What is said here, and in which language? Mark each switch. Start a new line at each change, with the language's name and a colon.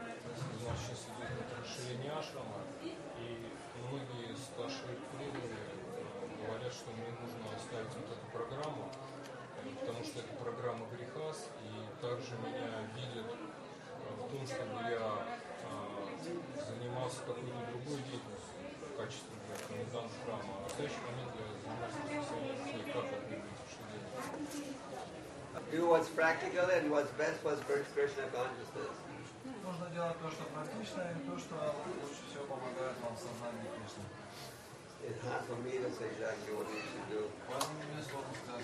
Russian: У нас сейчас идет расширение ашрама, и многие старшие преданные говорят, что мне нужно оставить вот эту программу, потому что это программа Грихас, и также меня видят в том, чтобы я занимался какой-то другой деятельностью.
English: Do what's practical and what's best for spiritual Krishna consciousness.
Russian: Нужно делать то, что практично, и то, что лучше всего помогает вам в сознании Кришны.
English: It's hard for me to say exactly what you should do.